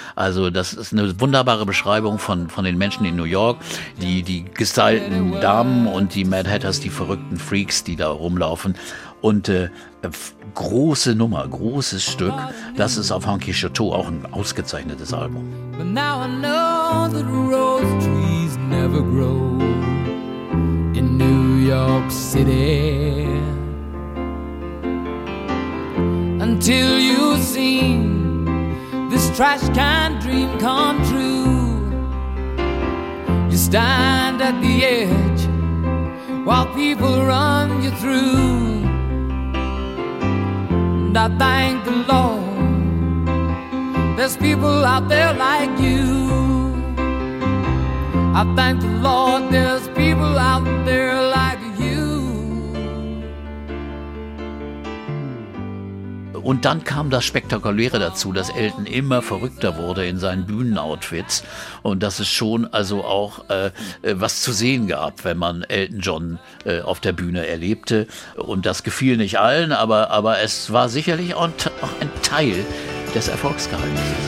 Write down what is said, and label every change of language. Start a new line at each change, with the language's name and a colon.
German: Also das ist eine wunderbare Beschreibung von den Menschen in New York, die gestylten Damen und die Mad Hatters, die verrückten Freaks, die da rumlaufen. Und große Nummer, großes Stück, das ist auf Honky Chateau auch ein ausgezeichnetes Album.
English: But now I know that rose trees never grow. York City, until you've seen this trash can dream come true, you stand at the edge while people run you through, and I thank the Lord there's people out there like you. I thank the Lord there's people out there like you.
German: Und dann kam das Spektakuläre dazu, dass Elton immer verrückter wurde in seinen Bühnenoutfits. Und dass es schon also auch was zu sehen gab, wenn man Elton John auf der Bühne erlebte. Und das gefiel nicht allen, aber es war sicherlich auch ein Teil des Erfolgsgeheimnisses.